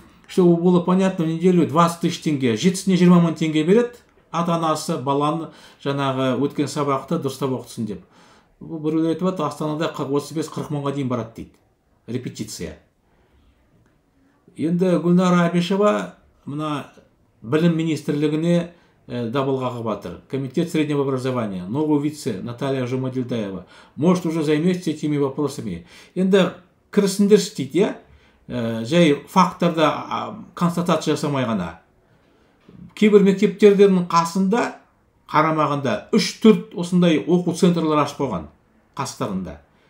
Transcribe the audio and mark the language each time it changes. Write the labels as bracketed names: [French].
[Russian] Чтобы было понятно, в неделю 20 тысяч [Kazakh] теңге, жетісіне 20 мың теңге береді, ата-анасы баланы жаңағы өткен сабақты дұрыстап оқытсын деп. Біреулер айтып жатыр, Астанада 35-40 мыңға дейін барады дейді. Репетиция. Енді Гүлнара Абишева мына білім министрлігіне дабыл қағып жатыр. [Russian] Комитет среднего образования, новый вице Наталья Жумадильдаева. Может уже займетесь этими вопросами. [Kazakh] Енді кірісіндерші дейді, жай факторда констатация жасамай ғана. Кейбір мектептердің қасында, қарамағында 3-4 осындай оқу центрлер ашып қойған қастарында.